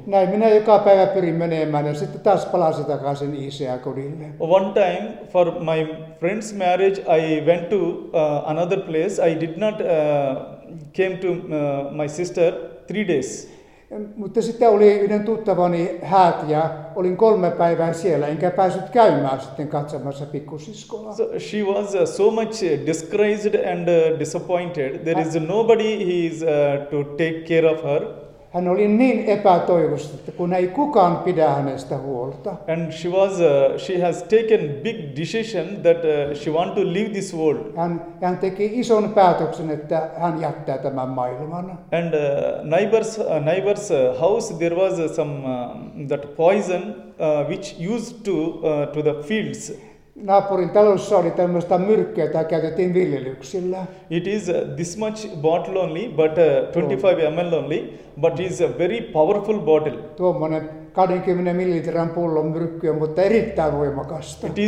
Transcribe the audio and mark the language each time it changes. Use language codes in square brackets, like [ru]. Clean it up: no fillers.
[fi] Näin minä joka päivä pyrin menemään ja sitten taas palasin takaisin ICA kodille. [en] One time for my friend's marriage I went to another place. I did not came to my sister 3 days. [fi] Mutta sitten oli yhden tuttavani häät ja olin 3 päivää siellä, enkä päässyt käymään sitten katsomassa pikkusiskoa. [en] So she was so much disgraced and disappointed. There is nobody he is to take care of her. [fi] Hän oli niin epätoivossa, että kun ei kukaan pidä hänestä huolta. [en] And she has taken big decision that she want to leave this world. [fi] Hän teki ison päätöksen, että hän jättää tämän maailman. [en] And neighbor's house there was some that poison which used to the fields. [fi] Naapurin talossa oli tämmöistä myrkkyä, jota käytettiin viljelyksillä. [en] It is this much bottle only, but 25 ml only, but it is a very powerful bottle. [fi] Tuommoinen 20 ml pullon myrkkyä, mutta erittäin voimakasta.